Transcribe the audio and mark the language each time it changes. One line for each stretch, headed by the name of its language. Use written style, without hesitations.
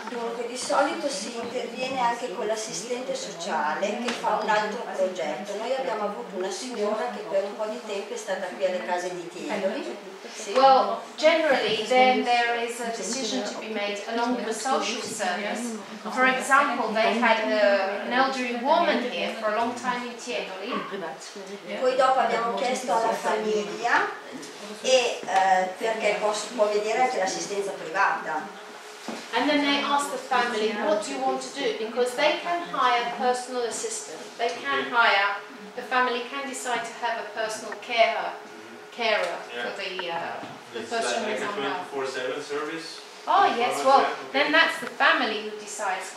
Italian: Dunque, di solito si interviene anche con l'assistente sociale che fa un altro progetto. Noi abbiamo avuto una signora che per un po' di tempo è stata qui alle case di Tiroli. Sì.
English: Well, generally then there is a decision to be made along with the social service. For example, they had an elderly woman here for a long time in Tiroli.
Italian: Poi dopo abbiamo chiesto alla famiglia e perché può venire anche l'assistenza privata.
English: And then they ask the family, what do you want to do? Because they can hire personal assistant. They can hire, the family can decide to have a personal carer for the person who's on the 24/7 service. Oh yes, well, then that's the family who decides.